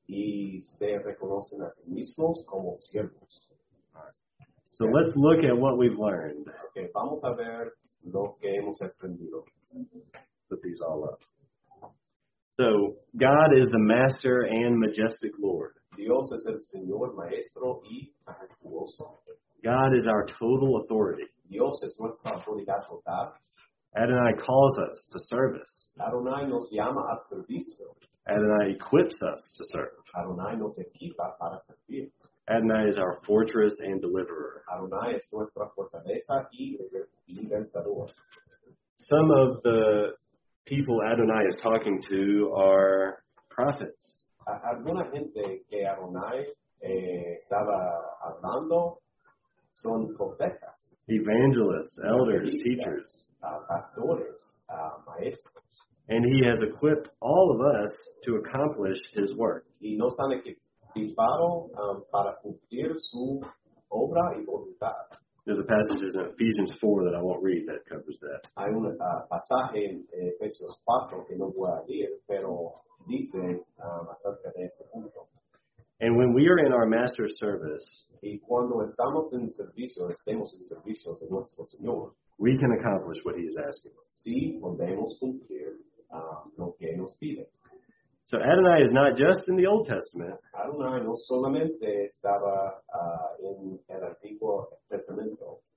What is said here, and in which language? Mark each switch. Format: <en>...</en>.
<es>Y se reconocen a sí mismos como siervos.</es> <en>So let's look at what we've learned.</en> <es>Okay, vamos a ver lo que hemos aprendido.</es> <en>Put these all up. So, God is the Master and Majestic Lord.</en> <es>Dios es el Señor, Maestro y Majestuoso.</es> <en>God is our total authority.</en> <es>Dios es nuestra autoridad total.</es> <en>Adonai calls us to service.</en> <es>Adonai nos llama al servicio.</es> <en>Adonai equips us to serve.</en> <es>Adonai nos equipa para servir.</es> <en>Adonai is our fortress and deliverer.</en> <es>Adonai es nuestra fortaleza y libertador.</es> <en>Some of the people Adonai is talking to are prophets.</en> <es>Alguna gente que Adonai estaba hablando son profetas.</es> <en>Evangelists, elders, teachers.</en> <es>Pastores, maestros.</es> <en>And he has equipped all of us to accomplish his work.</en> <es>Y nos han equipado para cumplir su obra y voluntad.</es> <en>There's a passage in Ephesians 4 that I won't read that covers that.</en> <es>Hay un pasaje en Efesios 4 que no voy a leer, pero dice acerca de este punto.</es> <en>And when we are in our master's service,</en> <es>y cuando estamos en servicio, estemos en servicio de nuestro Señor,</es> <en>we can accomplish what he is asking.</en> <es>Sí, podemos cumplir. Lo que nos pide.</es> <en>So Adonai is not just in the Old Testament.</en> <es>Adonai no solamente estaba en el Antiguo Testamento.</es>